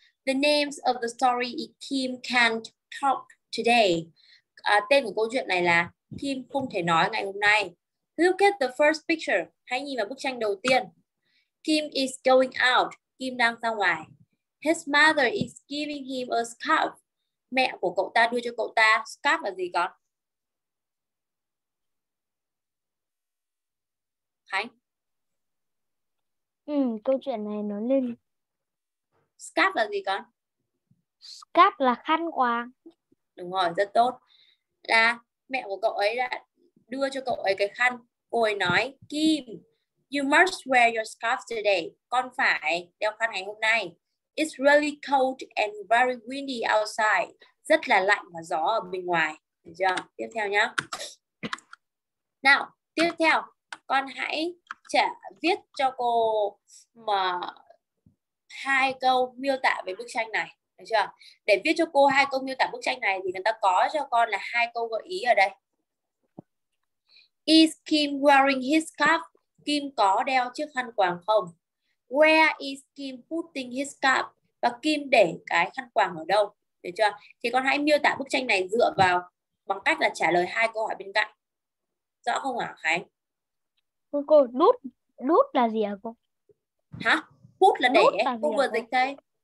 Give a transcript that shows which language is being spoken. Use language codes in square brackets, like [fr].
[en] The names of the story is Kim can't talk today. [vi] Tên của câu chuyện này là Kim không thể nói ngày hôm nay. [en] Look at the first picture. [vi] Hãy nhìn vào bức tranh đầu tiên. [en] Kim is going out. [vi] Kim đang ra ngoài. [en] His mother is giving him a scarf. [vi] Mẹ của cậu ta đưa cho cậu ta. Scarf là gì con? Khánh? Câu chuyện này nói lên. Scarf là gì con? Scarf là khăn quàng. Đúng rồi, rất tốt. Là mẹ của cậu ấy đã đưa cho cậu ấy cái khăn. Cô ấy nói, Kim, [en] you must wear your scarf today. [vi] Con phải đeo khăn ngày hôm nay. [en] It's really cold and very windy outside. [vi] Rất là lạnh và gió ở bên ngoài. Được chưa? Tiếp theo nhá. Nào, tiếp theo. Con hãy viết cho cô mà hai câu miêu tả về bức tranh này. Được chưa? Để viết cho cô hai câu miêu tả bức tranh này thì người ta có cho con là hai câu gợi ý ở đây. [en] Is Kim wearing his cap? [vi] Kim có đeo chiếc khăn quàng không? [en] Where is Kim putting his cap? [vi] Và Kim để cái khăn quàng ở đâu? Được chưa? Thì con hãy miêu tả bức tranh này dựa vào bằng cách là trả lời hai câu hỏi bên cạnh. Rõ không hả Khánh? Cô đút, đút là gì hả cô? Hả? Put là để, cô vừa dịch thế.